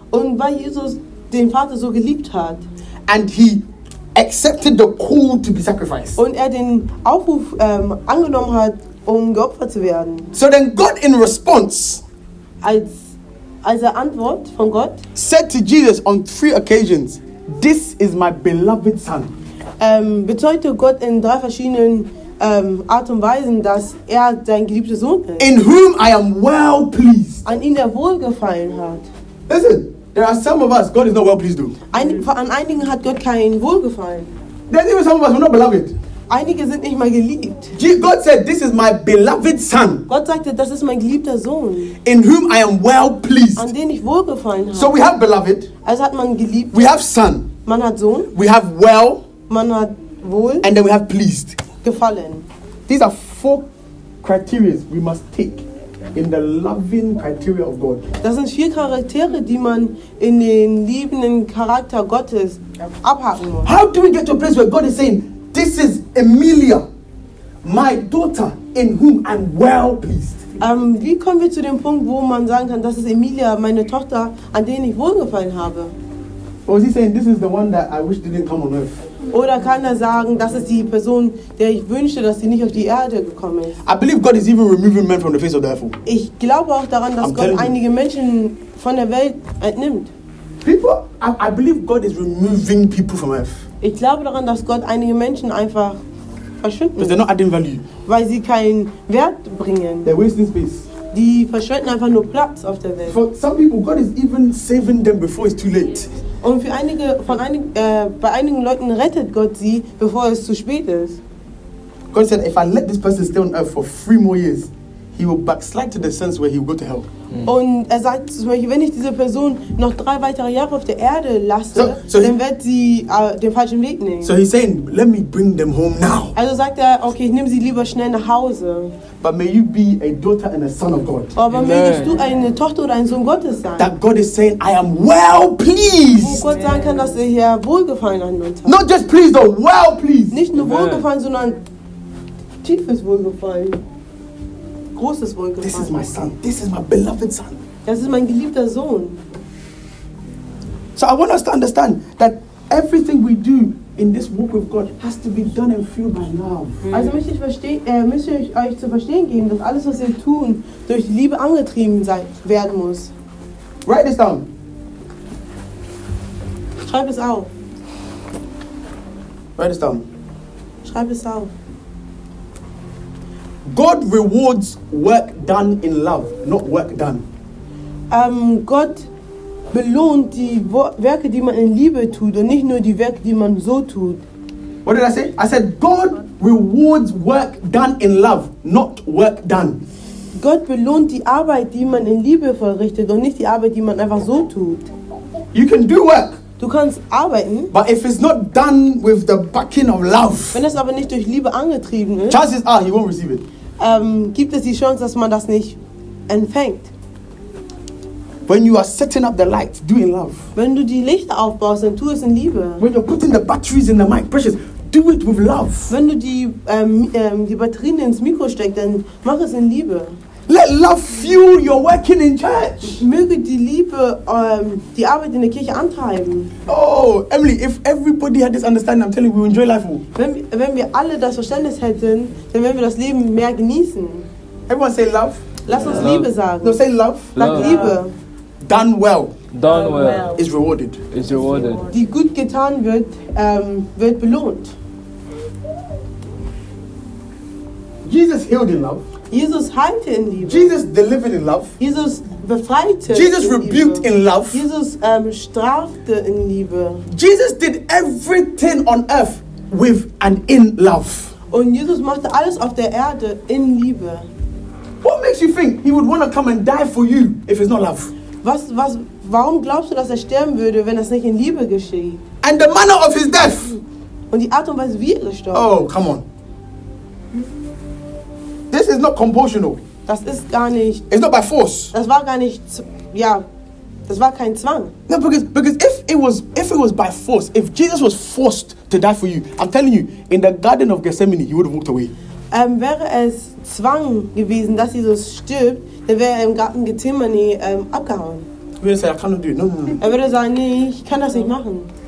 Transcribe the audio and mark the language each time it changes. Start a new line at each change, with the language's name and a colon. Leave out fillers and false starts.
German: Und weil Jesus den Vater so geliebt hat.
English: And he accepted the call to be sacrificed.
German: Und er den Aufruf angenommen hat, um geopfert zu werden.
English: So then God in response.
German: Als Antwort von Gott
English: said to Jesus on 3 occasions, this is my beloved son.
German: Bezeugte Gott in 3 verschiedenen Art und Weisen, dass er sein geliebter Sohn ist.
English: In whom I am well pleased.
German: An ihn er wohlgefallen hat.
English: Listen, there are some of us God is not well pleased to.
German: An einigen hat Gott kein Wohlgefallen.
English: There's even some of us who are not beloved.
German: Einige sind nicht mal geliebt.
English: God said, this is my beloved son.
German: Gott sagte, das ist mein geliebter Sohn.
English: In whom I am well pleased.
German: An den ich wohlgefallen habe.
English: So we have beloved.
German: Also hat man geliebt.
English: We have son.
German: Man hat Sohn.
English: We have well.
German: Man hat wohl.
English: And then we have pleased.
German: Gefallen.
English: These are 4 criteria we must take in the loving criteria of God.
German: Das sind 4 Charaktere, die man in den liebenden Charakter Gottes abhaken muss.
English: How do we get to a place where God is saying, this is Emilia, my daughter, in whom I'm well pleased.
German: Wie kommen wir zu dem Punkt, wo man sagen kann, das ist Emilia, meine Tochter, an denen ich wohlgefallen habe?
English: Or is he saying, this is the one that I wish didn't come on earth?
German: Oder kann er sagen, das ist die Person, der ich wünschte, dass sie nicht auf die Erde gekommen ist?
English: I believe God is even removing men from the face of the earth.
German: Ich glaube auch daran, dass Gott einige Menschen von der Welt entnimmt.
English: People, I believe God is removing people from earth.
German: Ich glaube daran, dass Gott einige Menschen einfach verschwinden.
English: Because they're not adding value.
German: Weil sie keinen Wert bringen.
English: They're wasting space.
German: Die verschwenden einfach nur Platz auf der Welt.
English: For some people, God is even saving them before it's too late.
German: Und für einige, bei einigen Leuten rettet Gott sie, bevor es zu spät ist.
English: God said, if I let this person stay on earth for 3 more years, he will backslide to the sense where he will go to hell. Mm.
German: Und er sagt zum Beispiel, wenn ich diese Person noch 3 weitere Jahre auf der Erde lasse, wird sie den falschen Weg nehmen.
English: So he's saying, let me bring them home now.
German: Also sagt okay, ich nehme sie lieber schnell nach Hause.
English: But may you be a daughter and a son of God.
German: Aber mögest du eine Tochter oder ein Sohn Gottes sein.
English: That God is saying, I am well pleased.
German: Wo Gott sagen kann, dass er hier wohlgefallen an uns hat.
English: Not just pleased, though, well pleased.
German: Nicht nur wohlgefallen, sondern tiefes Wohlgefallen. Großes Wolke.
English: This is my son. This is my beloved son.
German: Das ist mein geliebter Sohn.
English: So I want us to understand that everything we do in this walk with God has to be done and fueled by love.
German: Also möchte ich euch zu verstehen geben, dass alles, was ihr tun, durch Liebe angetrieben werden muss.
English: Write this down.
German: Schreib es auf.
English: Write this down.
German: Schreib es auf.
English: God rewards work done in love, not work done.
German: Gott belohnt die Werke, die man in Liebe tut, und nicht nur die Werke, die man so tut.
English: What did I say? I said God rewards work done in love, not work done.
German: Gott belohnt die Arbeit, die man in Liebe verrichtet, und nicht die Arbeit, die man einfach so tut.
English: You can do work.
German: Du kannst arbeiten.
English: But if it's not done with the backing of love.
German: Wenn es aber nicht durch Liebe angetrieben ist.
English: Chances are he won't receive it.
German: Gibt es die Chance, dass man das nicht empfängt?
English: When you are setting up the lights, do in love.
German: Wenn du die Lichter aufbaust, dann tu es in Liebe.
English: When you're putting the batteries in the mic, precious, do it with love.
German: Wenn du die Batterien ins Mikro steckst, dann mach es in Liebe.
English: Let love fuel your working in church.
German: Möge die Liebe die Arbeit in der Kirche antreiben.
English: Oh, Emily, if everybody had this understanding, I'm telling you, we would enjoy life more.
German: Wenn wir alle das Verständnis hätten, dann würden wir das Leben mehr genießen.
English: Everyone say love.
German: Lass uns Liebe sagen.
English: No, say love.
German: Like Liebe.
English: Done well. Done well. Is rewarded. Is rewarded.
German: Die gut getan wird, wird belohnt.
English: Jesus healed in love.
German: Jesus heilte in Liebe.
English: Jesus delivered in love.
German: Jesus befreite.
English: Jesus rebuked in love.
German: Jesus strafte in Liebe.
English: Jesus did everything on earth with and in love.
German: Und Jesus machte alles auf der Erde in Liebe.
English: What makes you think he would want to come and die for you if it's not love?
German: Warum glaubst du, dass er sterben würde, wenn das nicht in Liebe geschieht?
English: And the manner of his death.
German: Und die Art und Weise, wie er gestorben.
English: Oh, come on. This is not compulsional.
German: Das ist gar nicht.
English: It's not by force.
German: Das war gar nicht. Ja, das war kein Zwang.
English: No, because if it was by force, if Jesus was forced to die for you, I'm telling you, in the Garden of Gethsemane, he would have walked away.
German: Wäre es Zwang gewesen, dass Jesus stirbt, dann wäre er im Garten Gethsemane abgehauen.
English: He would say, I cannot do it. No.
German: Er würde sagen, nee, ich kann das nicht machen.